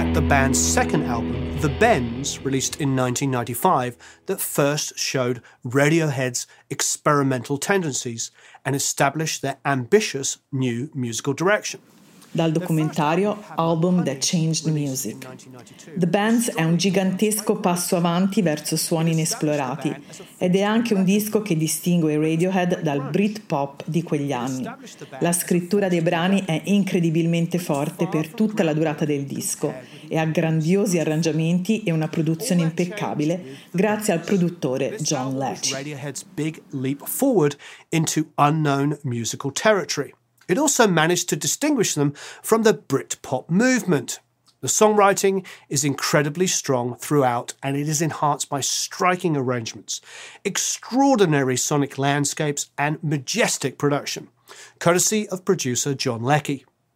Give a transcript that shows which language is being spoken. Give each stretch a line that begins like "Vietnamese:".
English: Band's second album, The Bends, released in 1995, that first showed Radiohead's experimental tendencies and established their ambitious new musical direction.
Italian: Dal documentario Album That Changed Music. The Bends è un gigantesco passo avanti verso suoni inesplorati ed è anche un disco che distingue Radiohead dal Britpop di quegli anni. La scrittura dei brani è incredibilmente forte per tutta la durata del disco e ha grandiosi arrangiamenti e una produzione impeccabile grazie al produttore John Lecce.
English: Radiohead's big leap forward into unknown musical territory. It also managed to distinguish them from the Britpop movement. The songwriting is incredibly strong throughout, and it is enhanced by striking arrangements, extraordinary sonic landscapes, and majestic production, courtesy of producer John Leckie.